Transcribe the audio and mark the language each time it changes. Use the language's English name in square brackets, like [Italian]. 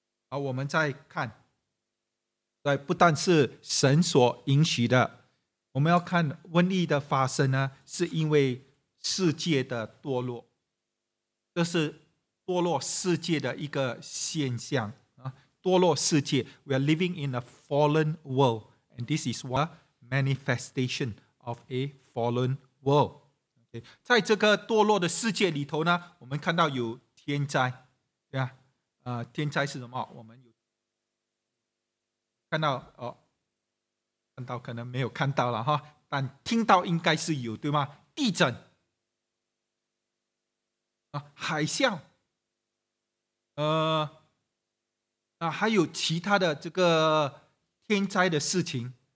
[Chinese] 好，我们再看，对，不但是神所允许的，我们要看瘟疫的发生呢是因为世界的堕落，这是堕落世界的一个现象。堕落世界， [English] We are living in a fallen world, and this is a manifestation of a fallen world. Okay. [Chinese] 在这个堕落的世界里头呢，我们看到有天灾，对啊，天灾是什么？我们有看到哦，看到可能没有看到了哈，但听到应该是有，对吗？地震啊，海啸，还有其他的这个天灾的事情。